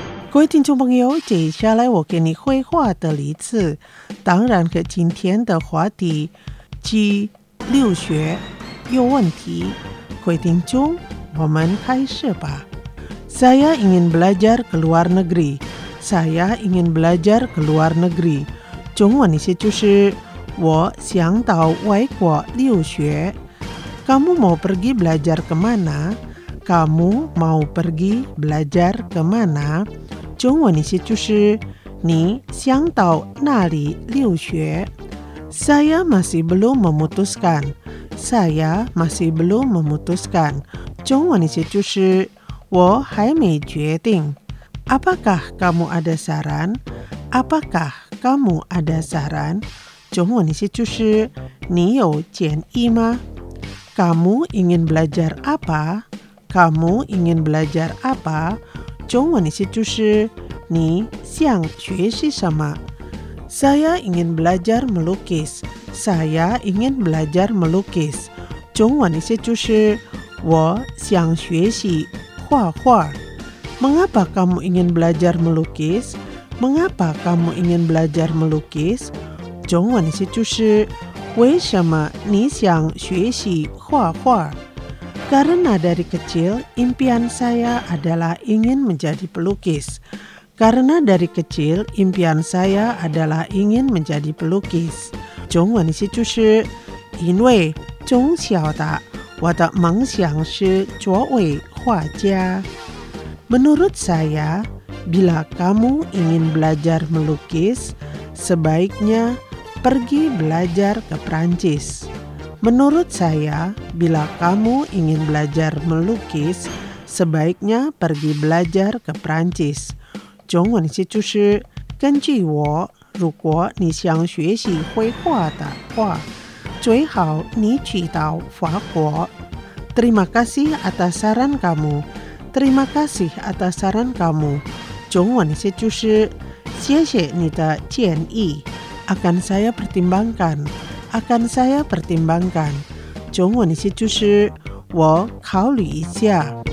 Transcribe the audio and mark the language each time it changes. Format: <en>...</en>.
<zh>各位听众朋友，接下来我给你绘画的例子，当然和今天的话题即留学有问题。各位听众，我们开始吧。</zh> <id>Saya ingin belajar ke luar negeri. Saya ingin belajar ke luar negeri.</id> <zh>中文的意思就是我想到外国留学。</zh> <id>Kamu mau pergi belajar ke mana? Kamu mau pergi belajar ke mana?</id> <zh>中文的意思就是你想到哪里留学。</zh> <id>Saya masih belum memutuskan. Saya masih belum memutuskan.</id> <zh>中文的意思就是我还没决定。</zh> <id>Apakah kamu ada saran? Apakah kamu ada saran?</id> <zh>中文的意思就是你有建议吗？</zh> <id>Kamu ingin belajar apa? Kamu ingin belajar apa?</id> <zh>中文的意思就是你想学习什么。</zh> <id>Saya ingin belajar melukis. Saya ingin belajar melukis.</id> <zh>中文的意思就是我想学习画画。</zh> <id>Mengapa kamu ingin belajar melukis? Mengapa kamu ingin belajar melukis?</id> <zh>中文的意思就是为什么你想学习画画。</zh> <id>Karena dari kecil impian saya adalah ingin menjadi pelukis. Karena dari kecil impian saya adalah ingin menjadi pelukis.</id> <zh>中文的意思就是因为从小的我的梦想是作为画家。</zh> <id>Menurut saya, bila kamu ingin belajar melukis, sebaiknya pergi belajar ke Perancis. Menurut saya, bila kamu ingin belajar melukis, sebaiknya pergi belajar ke Perancis.</id> <zh>中文的意思就是，根据我，如果你想学习绘画的话，最好你去到法国。</zh> <id>Terima kasih atas saran kamu. Terima kasih atas saran kamu.</id> <zh>中文意思就是 谢谢你的建议.</zh> <id>Akan saya pertimbangkan. Akan saya pertimbangkan.</id> <zh>中文意思就是 我考虑一下.</zh>